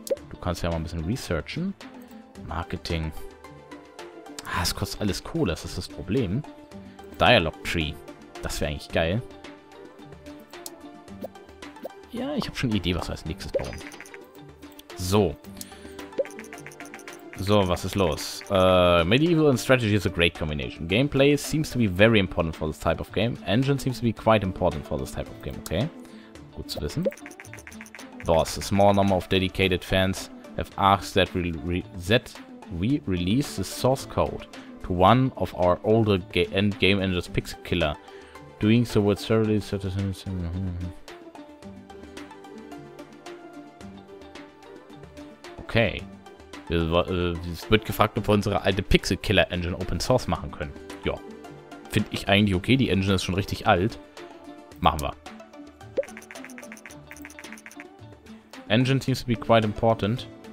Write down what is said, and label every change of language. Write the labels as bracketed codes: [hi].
[de] Du kannst ja mal ein bisschen researchen. Marketing. Ah, es kostet alles Kohle. Das ist das Problem. Dialog Tree. Das wäre eigentlich geil. Ja, ich habe schon eine Idee, was wir als nächstes bauen. So. So, was ist los? [en] Medieval and Strategy is a great combination. Gameplay seems to be very important for this type of game. Engine seems to be quite important for this type of game. Okay. [de] Gut zu wissen. [en] Boss. A small number of dedicated fans have asked that we release the source code to one of our older game engines, Pixel Killer. Doing so would certainly Okay. [de] Es wird gefragt, ob wir unsere alte Pixel Killer Engine Open Source machen können. Ja. Finde ich eigentlich okay. Die Engine ist schon richtig alt. Machen wir. [en] Engine seems to be quite important.